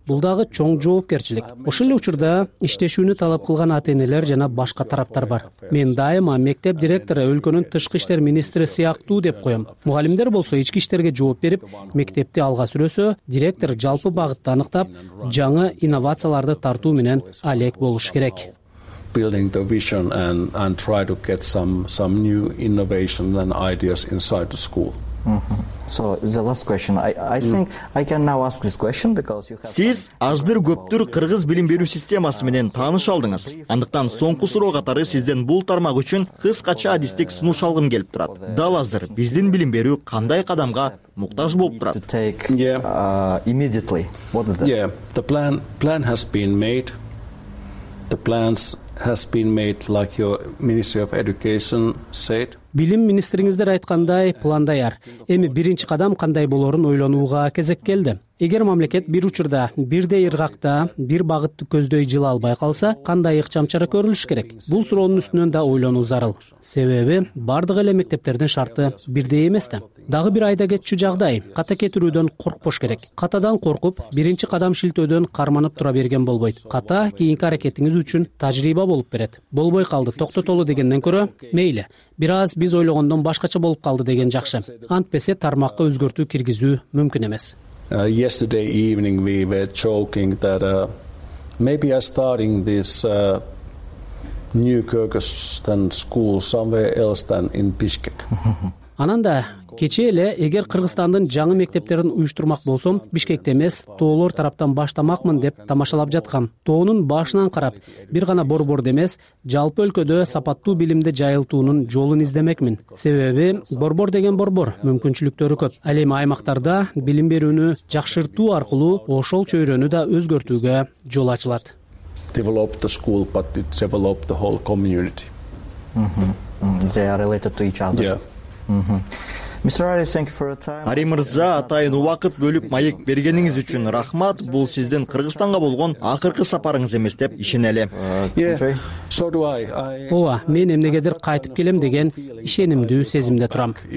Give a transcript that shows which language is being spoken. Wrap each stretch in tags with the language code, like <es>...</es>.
<ky>Бул дагы чоң жоопкерчилик. Ошол эле учурда иштешүүнү талап кылган ата-энелер жана башка тараптар бар. Мен дайыма мектеп директору өлкөнүн тышкы иштер министри сыяктуу деп коем. Мугалимдер болсо ички иштерге жооп берип, мектепти алга сүрөсө, директор жалпы багытты аныктап, жаңы инновацияларды тартуу менен алек болуш керек.</ky> <en>Building the vision and try to get some new innovation and ideas inside the school. So the last question. I think I can now ask this question because you have</en> <ky>сиз аздыр көптүр кыргыз билим берүү системасы менен тааныш алдыңыз. Андыктан соңку суроо катары сизден бул тармак үчүн кыскача адистик сунуш алгым келип турат. Дал азыр биздин билим берүү кандай кадамга муктаж болуп турат?</ky> <en>Immediately. What is that? Yeah, the plan has been made. Like your Ministry of Education said.</en> <ky>Билим министриңиздер айткандай, план даяр. Эми биринчи кадам кандай болорун ойлонууга кезек келди. Эгер мамлекет бир учурда, бирдей ыргакта, бир багытты көздөй жыла албай калса, кандай ыкчам чара көрүлүш керек? Бул суроонун үстүнөн да ойлонуу зарыл. Себеби, бардык эле мектептердин шарты бирдей эмес да. Дагы бир айда кетчү жагдай, ката кетирүүдөн коркпош керек. Катадан коркуп, биринчи кадам шилтөөдөн карманып тура берген болбойт. Ката кийинки аракетиңиз үчүн тажрыйба болуп берет. Болбой калды, токтотолу дегенден көрө, мейли, бир аз биз ойлогондон башкача болуп калды деген жакшы. Антпесе тармакка өзгөртүү киргизүү мүмкүн эмес.</ky> <en>Yesterday evening we were joking that maybe I'm starting this new Kyrgyzstan school somewhere else than in Bishkek.</en> <ky>Ананда кече эле эгер Кыргызстандын жаңы мектептерин уюштурмак болсом, Бишкекте эмес, тоолор тараптан баштамакмын деп тамашалап жаткам. Тоонун башынан карап, бир гана Борборду эмес, жалпы өлкөдө сапаттуу билимди жайылтуунун жолун издемекмин. Себеби, Борбор деген Борбор, мүмкүнчүлүктөрү көп. Ал эми аймактарда билим берүүнү жакшыртуу аркылуу ошол чөйрөнү да өзгөртүүгө жол ачылат.</ky> <en>Develop the school, but it develop the whole community. They are related to each other. Yeah.</en> <ky>Ари Мырза, атайын убакыт бөлүп маек бергениңиз үчүн рахмат. Бул сиздин Кыргызстанга болгон акыркы сапарыңыз эмес деп ишенелем. Ооба, мен эмнегедир кайтып келем деген ишенимдүү сезимде турам.</ky>